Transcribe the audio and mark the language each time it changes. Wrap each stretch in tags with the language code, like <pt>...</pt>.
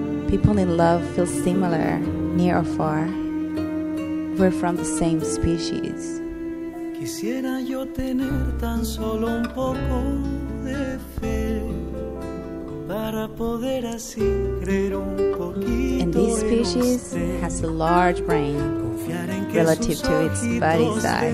<en>People in love feel similar, near or far. We're from the same species.</en> <es>Quisiera yo tener tan solo un poco de fe para poder así creer un poquito.</es> <en>And this species has a large brain relative to its body size.</en>